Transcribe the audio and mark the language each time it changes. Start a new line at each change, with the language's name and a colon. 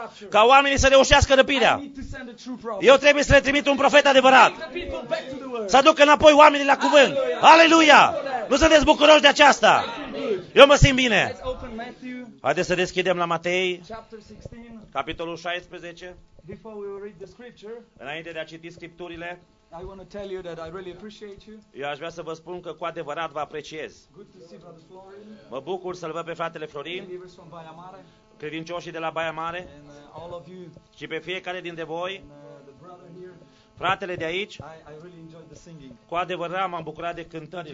Romanian: Ca oamenii să reușească răpirea. Eu trebuie să le trimit un profet adevărat. Să aducă înapoi oamenii la cuvânt. Aleluia! Nu sunteți bucuroși de aceasta? Eu mă simt bine. Haideți să deschidem la Matei. Capitolul 16.
English: Before we read the scripture,
Romanian: înainte de a citi scripturile,
English: I want to tell you that I really appreciate you.
Romanian: Eu aș vrea să vă spun că cu adevărat vă apreciez.
English: Good to see Brother Florin.
Romanian: Mă bucur să-l văd pe fratele Florin, credincioșii de la Baia Mare,
English: and all of you,
Romanian: și pe fiecare dintre voi,
English: and, the brother here,
Romanian: fratele de aici,
English: I really enjoyed the singing.
Romanian: Cu adevărat m-am bucurat de cântările.